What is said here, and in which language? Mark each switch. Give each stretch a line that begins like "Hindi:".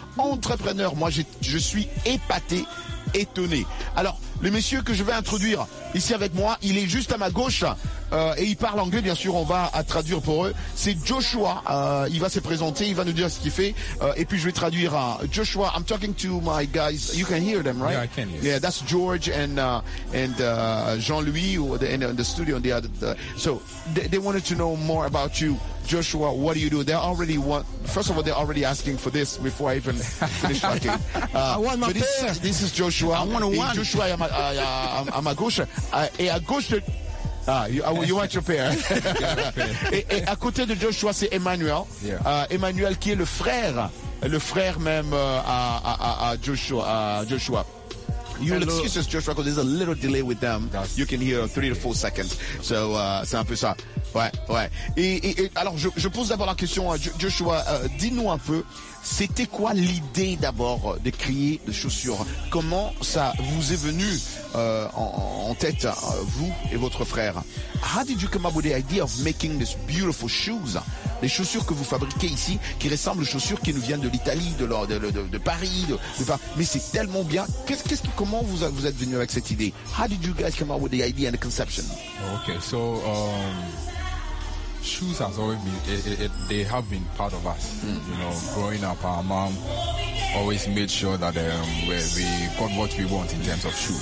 French: Entrepreneur, moi, je suis épaté, étonné. Alors, le monsieur que je vais introduire ici avec moi, il est juste à ma gauche et il parle anglais, bien sûr, on va traduire pour eux. C'est Joshua, il va se présenter, il va nous dire ce qu'il fait et puis je vais traduire.
English: Joshua, I'm talking to my guys, you can hear them, right? Yeah, I can, yes. Yeah, that's George and Jean-Louis in the studio. And the other, so they wanted to know more about you. Joshua, what do you do? They already want, first of all, they're already asking for this before I even finish talking. I want my pair. This is Joshua. I want one.
French: Joshua, I'm a gauche. Et à gauche de. You want your pair. Et à côté de Joshua, c'est Emmanuel.
English: Yeah.
French: Emmanuel qui est le frère même à Joshua.
English: You'll excuse us, Joshua, because there's a little delay with them. That's you can hear 3 to 4 seconds. So, c'est un peu ça. Ouais, ouais.
French: Et alors, je pose d'abord la question à Joshua. Dis-nous un peu, c'était quoi l'idée d'abord de créer des chaussures? Comment ça vous est venu en tête, vous et votre frère?
English: How did you come up with the idea of making these beautiful shoes?
French: Les chaussures que vous fabriquez ici, qui ressemblent aux chaussures qui nous viennent de l'Italie, de Paris, mais c'est tellement bien. Comment vous êtes venu avec cette idée?
English: How did you guys come up with the idea and the conception? Okay, so... shoes has always been, they have been part of us. Mm. You know, growing up, our mom always made sure that we got what we want in terms of shoes.